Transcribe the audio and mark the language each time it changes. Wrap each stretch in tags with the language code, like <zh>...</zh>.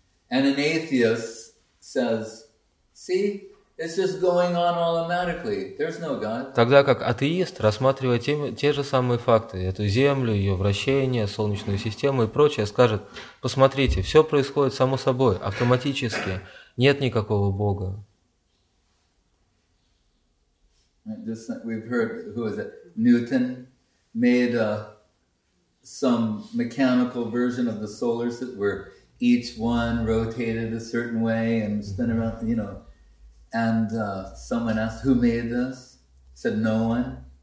<en>And an atheist says, see, it's just going on automatically. There's no God.</en> <ru>Тогда как атеист, рассматривая те же самые факты, эту Землю, ее вращение, Солнечную систему и прочее, скажет, посмотрите, все происходит само собой, автоматически, нет никакого Бога.</ru> <en>We've heard, who is it? Newton made some mechanical version of the solar system where each one rotated a certain way and spin around, you know. And someone asked, who made this? Said, no one.</en>